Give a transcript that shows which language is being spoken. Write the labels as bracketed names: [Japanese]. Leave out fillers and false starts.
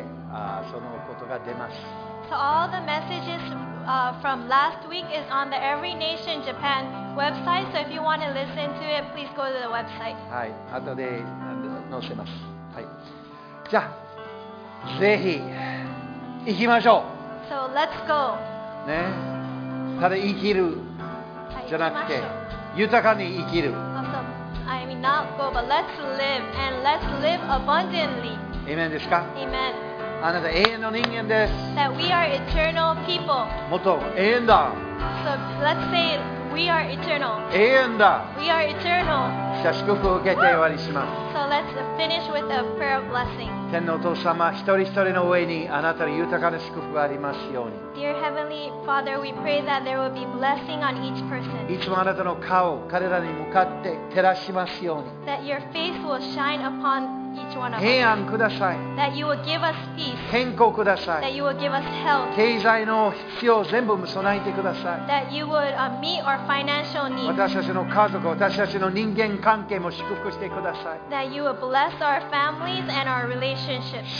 [English] So all the messages from last week is on the Every Nation Japan website. So if you want to listen to it, please go to the website. [Japanese] はい、後で載せます。はい。じゃあ、ぜひ行きましょう。 [English] So let's go. [Japanese] ね、ただ生きるじゃなくて、豊かに生きる。 [English] Awesome. I mean not go, but let's live and let's live abundantly. [Japanese] Amen ですか？ [English] Amen. [Japanese] あなた永遠の人間です。 [English] That we are eternal people. [Japanese] もっと永遠だ。 [English] So let's say we are eternal. [Japanese] 永遠だ。 [English] We are eternal. [Japanese] じゃあ祝福を受けて終わりします。 [English] So let's finish with a prayer of blessing. [Japanese] 天のお父様、一人一人の上にあなたの豊かな祝福がありますように。 [English] Dear Heavenly Father, we pray that there will be blessing on each person. [Japanese] いつもあなたの顔を彼らに向かって照らしますように。 [English] That your face will shine upon each person. each one of us. [Japanese] 平安ください。 [English] That you will give us peace. [Japanese] 健康ください。 [English] That you will give us health. [Japanese] 経済の必要を全部備えてください。 [English] That you would meet our financial needs. [Japanese] 私たちの家族、私たちの人間関係も祝福してください。 [English] That you will bless our families and our relationships.